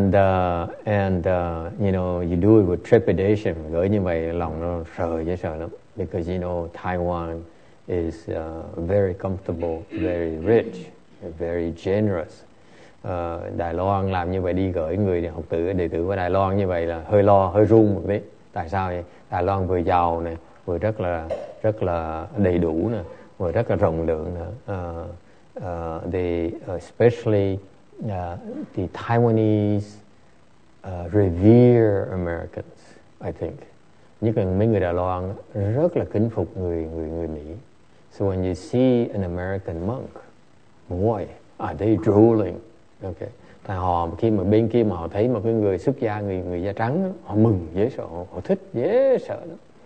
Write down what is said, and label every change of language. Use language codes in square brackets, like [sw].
[en] You do it with trepidation. [vi] Gửi như vậy lòng nó sợ chứ sợ lắm. [en] Because, you know, Taiwan is very comfortable, very rich, very generous. [vi] Đài Loan làm như vậy đi gửi người học tử, đệ tử của Đài Loan như vậy là hơi lo, hơi run một tí. Tại sao vậy? Đài Loan vừa giàu nè, vừa rất là đầy đủ nè. Và rất là rộng lượng nữa. [en] Especially the Taiwanese revere Americans, I think. You can bring it along, [vi] rất là kính phục người Mỹ. [en] So when you see an American monk, boy, are they drooling. Okay. [vi] Tại họ khi mà bên kia mà họ thấy một cái người xuất gia, người da trắng, họ mừng, dễ sợ, họ thích, dễ sợ lắm.